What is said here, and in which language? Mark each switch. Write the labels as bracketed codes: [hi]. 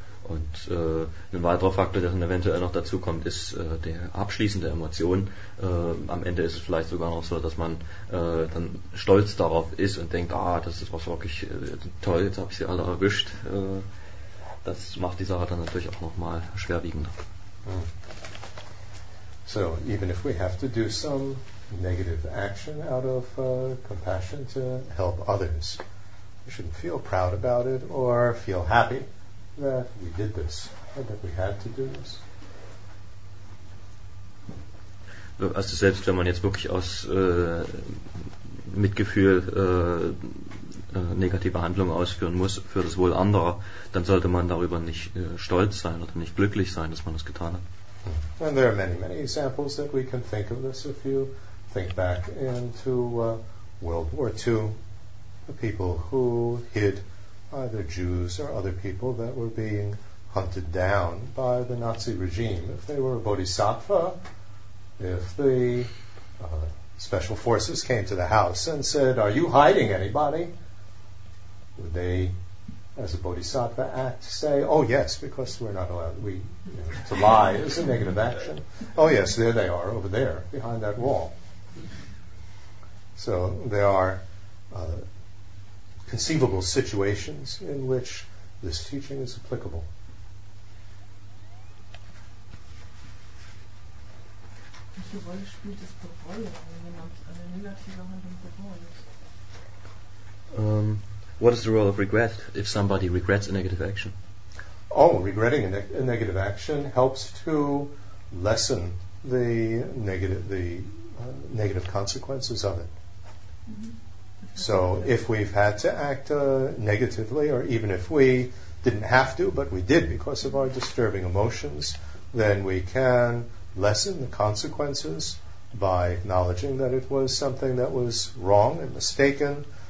[de] Und ein weiterer Faktor, der dann eventuell noch dazu kommt, ist der abschließende Emotion. Am Ende ist es vielleicht sogar noch so, dass man dann stolz darauf ist und denkt, ah, das ist was wirklich toll, jetzt habe ich sie alle erwischt. Das macht die Sache dann natürlich auch noch mal schwerwiegender. [en] So, even if we have to do some negative action out of compassion to help others, we shouldn't feel proud about it or feel happy that we did this, or that we had to do this. [de] Also selbst wenn man jetzt wirklich aus Mitgefühl negative Handlungen ausführen muss für das Wohl anderer, dann sollte man darüber nicht stolz sein oder nicht glücklich sein, dass man das getan hat. [en] And there are many, many examples that we can think of this. If you think back into World War II, the people who hid either Jews or other people that were being hunted down by the Nazi regime, if they were a bodhisattva, if the special forces came to the house and said, "Are you hiding anybody?" Would they, as a bodhisattva act, say, "Oh yes, because we're not allowed, to lie is a negative action. Oh yes, there they are, over there, behind that wall." So there are conceivable situations in which this teaching is applicable. [de] Welche Rolle spielt das Bereuen, wenn jemand eine negative Handlung bereut? [en] What is the role of regret if somebody regrets a negative action? Oh, regretting a negative action helps to lessen the negative consequences of it. Mm-hmm. So if we've had to act negatively, or even if we didn't have to, but we did because of our disturbing emotions, then we can lessen the consequences by acknowledging that it was something that was wrong and mistaken.